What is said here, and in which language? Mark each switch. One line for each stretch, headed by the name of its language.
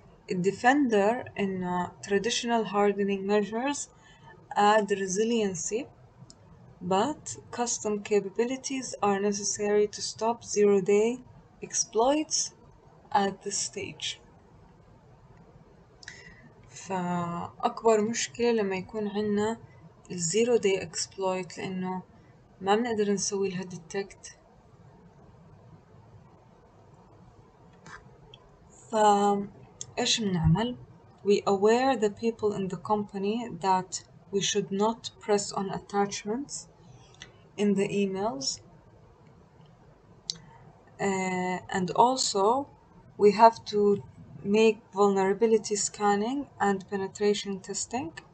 Arabic: الديفندر انه
English: traditional hardening measures add resiliency but custom capabilities are necessary to stop zero day exploits at this stage.
Arabic: فأكبر مشكلة لما يكون عندنا الزيرو داي اكسبلويت لأنه ما بنقدر نسوي لها ديتكت. فإيش بنعمل؟
English: We aware the people in the company that we should not press on attachments in the emails. And also we have to make vulnerability scanning and penetration testing.